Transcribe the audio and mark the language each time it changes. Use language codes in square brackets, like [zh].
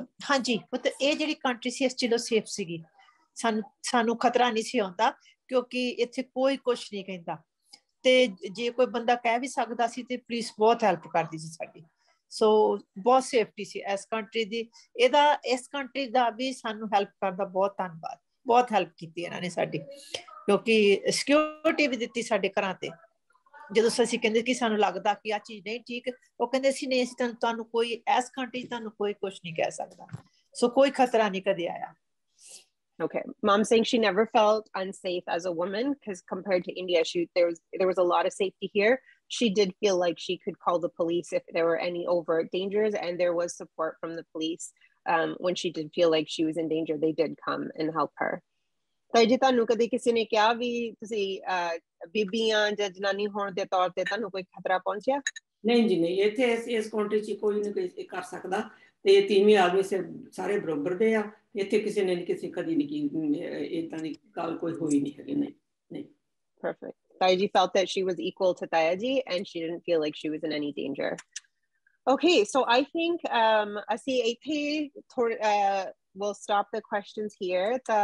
[pa] ਹਾਂਜੀ ਪੁੱਤ ਇਹ ਜਿਹੜੀ ਕੰਟਰੀ ਸੀ ਇਸ ਚੀਜ਼ ਤੋਂ ਸੇਫ ਸੀਗੀ ਸਾਨੂੰ ਖਤਰਾ ਨਹੀਂ ਸੀ ਆਉਂਦਾ ਕਿਉਂਕਿ ਇੱਥੇ ਕੋਈ ਕੁਛ ਨਹੀਂ ਕਹਿੰਦਾ ਤੇ ਜੇ ਕੋਈ ਬੰਦਾ ਕਹਿ ਵੀ ਸਕਦਾ ਸੀ ਤੇ ਪੁਲਿਸ ਬਹੁਤ ਹੈਲਪ ਕਰਦੀ ਸੀ ਸਾਡੀ ਸੋ ਬਹੁਤ ਸੇਫਟੀ ਸੀ ਇਸ ਕੰਟਰੀ ਦੀ ਇਹਦਾ ਇਸ ਕੰਟਰੀ ਦਾ ਵੀ ਸਾਨੂੰ ਹੈਲਪ ਕਰਨ ਦਾ ਬਹੁਤ ਧੰਨਵਾਦ ਬਹੁਤ ਹੈਲਪ ਕੀਤੀ ਇਹਨਾਂ ਨੇ ਸਾਡੀ ਕਿਉਂਕਿ ਸਿਕਿਉਰਿਟੀ ਵੀ ਦਿੱਤੀ ਸਾਡੇ ਘਰਾਂ ਤੇ ਜਦੋਂ ਅਸੀਂ ਕਹਿੰਦੇ ਕਿ ਸਾਨੂੰ ਲੱਗਦਾ ਕਿ ਆਹ ਚੀਜ਼ ਨਹੀਂ ਠੀਕ ਉਹ ਕਹਿੰਦੇ ਸੀ ਨਹੀਂ ਤੁਹਾਨੂੰ ਕੋਈ ਇਸ ਕੰਟਰੀ ਤੁਹਾਨੂੰ ਕੋਈ ਕੁਛ ਨਹੀਂ ਕਹਿ ਸਕਦਾ ਸੋ ਕੋਈ ਖਤਰਾ ਨਹੀਂ ਕਦੇ ਆਇਆ [en] Okay, Mom's saying she never felt unsafe as a woman because compared to India, there was a lot of safety here. She did feel like she could call the police if there were any overt dangers and there was support from the police when she did feel like she was in danger. They did come and help her. [pa] Taiji, tanu kade kisi ne kya vi tusi ਬੀਬੀਆਂ ਜਾਂ ਜਨਾਨੀ ਹੋਣ ਦੇ ਤੌਰ ਤੇ ਤੁਹਾਨੂੰ ਕੋਈ ਖਤਰਾ ਪਹੁੰਚਿਆ? ਨਹੀਂ ਜੀ ਨਹੀਂ, ਇੱਥੇ ਇਸ ਕੌਂਟੇ 'ਚ ਕੋਈ ਨਹੀਂ ਕੋਈ ਕਰ ਸਕਦਾ, ਤੇ ਤੀਵੀਂ ਆਦਮੀ ਸਾਰੇ ਬਰਾਬਰ ਦੇ ਆ, ਇੱਥੇ ਕਿਸੇ ਨੇ ਕਿਸੇ ਕਦੀ ਨੀ ਏਦਾਂ ਦੀ ਗੱਲ ਕੋਈ ਹੋਈ ਨੀ ਹੈਗੀ, ਨਹੀਂ ਨਹੀਂ। [en] Perfect. Taiji felt that she was equal to Taiji and she didn't feel like she was in any danger. Okay, so I think we'll stop the questions here.